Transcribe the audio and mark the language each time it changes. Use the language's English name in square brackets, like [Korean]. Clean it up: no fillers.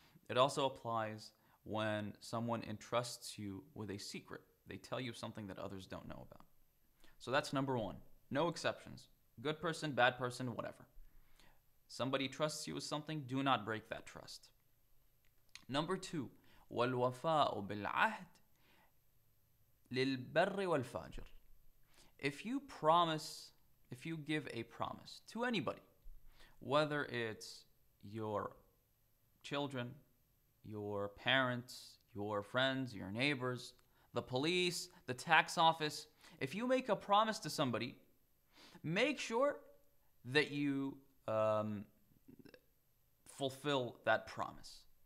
[English] It also applies when someone entrusts you with a secret. They tell you something that others don't know about. So that's number one. No exceptions. Good person, bad person, whatever. Somebody trusts you with something, do not break that trust. Number two, [Arabic] وَالْوَفَاءُ بِالْعَهْدِ لِلْبَرِّ وَالْفَاجِرِ. [English] If you promise, if you give a promise to anybody, whether it's your children, your parents, your friends, your neighbors, the police, the tax office, if you make a promise to somebody, make sure that you fulfill that promise.